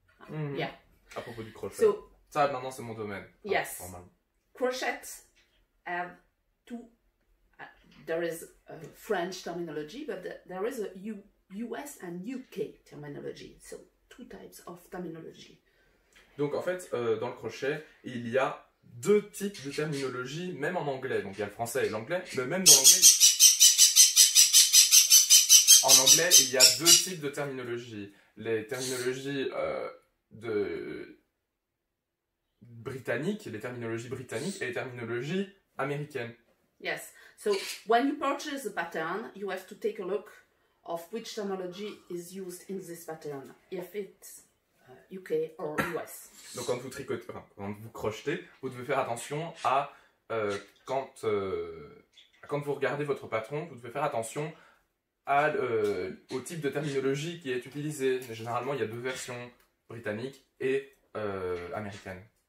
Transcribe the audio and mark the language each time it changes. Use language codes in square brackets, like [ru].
[en] Yeah. [fr] À propos du crochet. So, ça, maintenant, c'est mon domaine. [en] Yes. Crochet have two. there is a French terminology, but there is a US and UK terminology. So, two types of terminology. [fr] Donc, en fait, dans le crochet, il y a deux types de terminologie, même en anglais. Donc, il y a le français et l'anglais, mais même dans l'anglais... En anglais, il y a deux types de terminologie. Les terminologies de... britanniques, les terminologies britanniques et les terminologies américaines. [en] Yes. So, when you purchase a pattern, you have to take a look of which terminology is used in this pattern. If it's UK or US. [fr] Donc, quand vous tricotez, enfin, quand vous crochetez, vous devez faire attention à quand vous regardez votre patron, vous devez faire attention à, au type de terminologie qui est utilisé. Généralement, il y a deux versions, britannique et américaine.